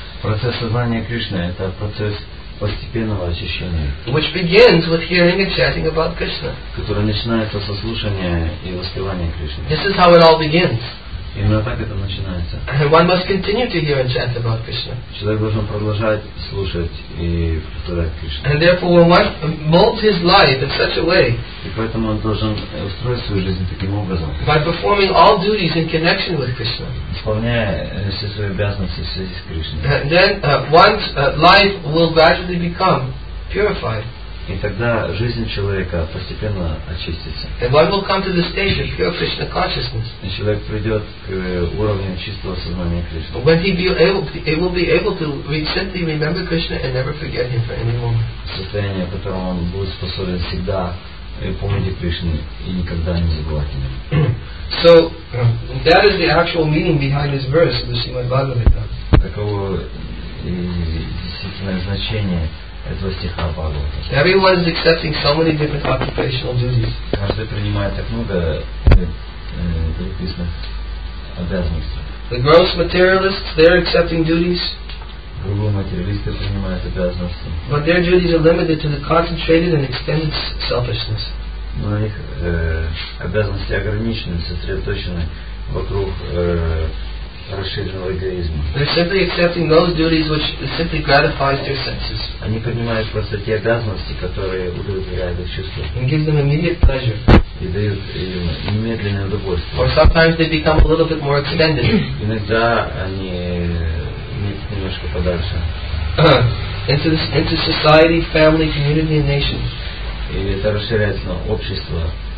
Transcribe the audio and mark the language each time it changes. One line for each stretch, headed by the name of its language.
Russian: Процесс сознания Кришны – это процесс постепенного очищения.
English: Which begins with hearing and chanting about Krishna.
Russian: Который начинается со слушания и воспевания Кришны.
English: This is how it all begins.
Russian: Именно так это начинается.
English: One must continue to hear and chant about Krishna.
Russian: Человек должен продолжать слушать и повторять Кришну.
English: And therefore mold his life in such a way.
Russian: И поэтому он должен устроить свою жизнь таким образом.
English: By performing all duties in connection with Krishna.
Russian: Исполняя все свои обязанности в связи с Кришной.
English: Then one's life will gradually become purified.
Russian: И тогда жизнь человека постепенно очистится.
English: And one will come to the stage of pure Krishna consciousness.
Russian: И человек придет к уровню чистого сознания Кришны.
English: When he will be able to simply remember Krishna and never forget him for any moment.
Russian: Состояние, в котором он будет способен всегда помнить Кришну и никогда не забывать о нем.
English: So that is the actual meaning behind this verse of the Srimad Bhagavatam.
Russian: Таково действительное значение.
English: Everyone is accepting so many different occupational duties. The gross materialists, they're accepting duties. But their duties are limited to the concentrated and extended selfishness. They're simply accepting those duties which simply gratifies their senses.
Russian: Они принимают просто те обязанности, которые удовлетворяют их чувства.
English: And gives them immediate pleasure.
Russian: И дают им немедленное удовольствие.
English: Or sometimes they become a little bit more extended.
Russian: Иногда они немножко подальше.
English: Into society, family, community, and nation.
Russian: И это расширяется на общество.